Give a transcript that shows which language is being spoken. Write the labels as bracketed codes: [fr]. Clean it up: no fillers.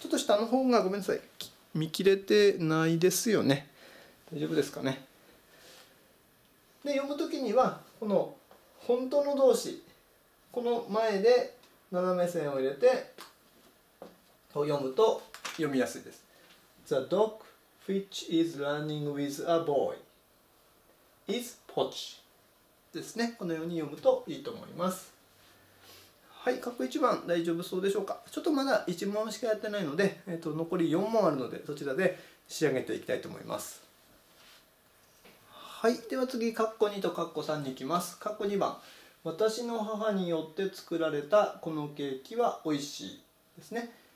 [ja] ちょっと下の方がごめんなさい、見切れてないですよね。大丈夫ですかね。で、読むときにはこの本当の動詞、この前で斜め線を入れてこう読むと読みやすいです。 [en] The dog which is running with a boy is Poch [ja] ですね。このように読むといいと思います。はい、括弧1番大丈夫そうでしょうか。ちょっとまだ1問しかやってないので、残り4問あるのでそちらで仕上げていきたいと思います。はい、では次括弧2と括弧3に行きます。括弧2番、私の母によって作られたこのケーキは美味しいですね。